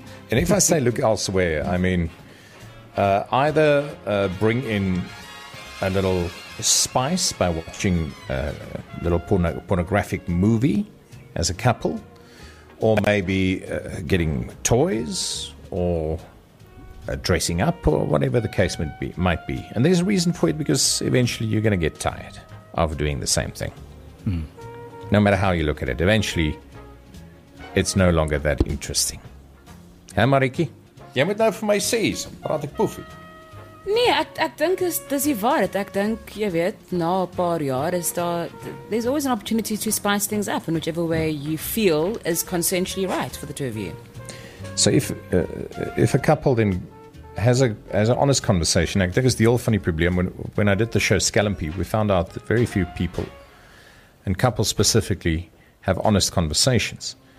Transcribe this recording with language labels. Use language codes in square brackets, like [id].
[en] And if I say look elsewhere, I mean either bring in a little spice by watching a little pornographic movie as a couple, or maybe getting toys or dressing up or whatever the case might be. And there's a reason for it, because eventually you're going to get tired of doing the same thing. No matter how you look at it, eventually it's no longer that interesting. [af] Hey, Mariki, jy moet nou vir my sê, praat ek poefie. Nee, ek dink dis die waarheid. Ek dink, jy weet, na 'n paar jaar is daar, [en] there's always an opportunity to spice things up in whichever way you feel is consensually right for the two of you. So if a couple then has an honest conversation, [af] ek dink is die al funny probleem. [en] When I did the show Scallumpy, we found out that very few people, and couples specifically, have honest conversations.